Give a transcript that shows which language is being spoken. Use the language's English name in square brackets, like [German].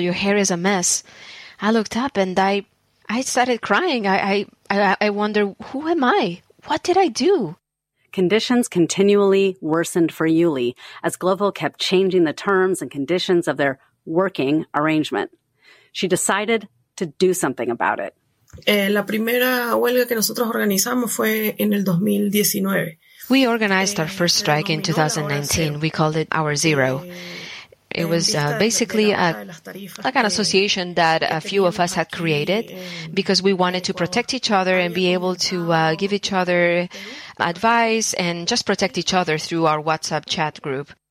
[English] Your hair is a mess. I looked up and I started crying. I wonder, who am I? What did I do? Conditions continually worsened for Yuli as Glovo kept changing the terms and conditions of their working arrangement. She decided to do something about it. [Spanish] La primera huelga que nosotros organizamos fue en el 2019. [English] We organized our first strike in 2019. We called it Hour Zero. It was basically like an association that a few of us had created because we wanted to protect each other and be able to give each other advice and just protect each other through our WhatsApp chat group.